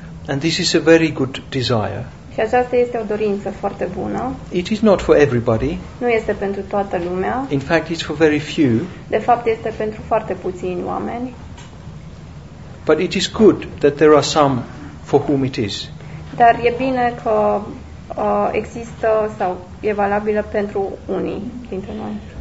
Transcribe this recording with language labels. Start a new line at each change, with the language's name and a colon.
English: And this is a very good desire.
Romanian: Și aceasta este o dorință foarte bună.
English: It is not for everybody.
Romanian: Nu este pentru toată lumea.
English: In fact, it's for very few.
Romanian: De fapt, este pentru foarte puțini oameni.
English: But it is good that there are some for whom it is.
Romanian: Dar e bine că există sau e valabilă pentru unii dintre noi.